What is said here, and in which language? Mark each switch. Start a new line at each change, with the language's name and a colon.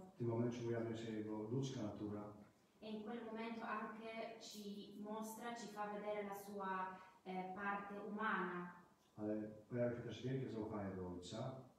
Polish: W tym momencie ujawnia się jego ludzka natura.
Italian: E in quel momento anche ci mostra, ci fa vedere la sua parte umana.
Polish: Ale pojawia się też wielkie zaufanie do Ojca.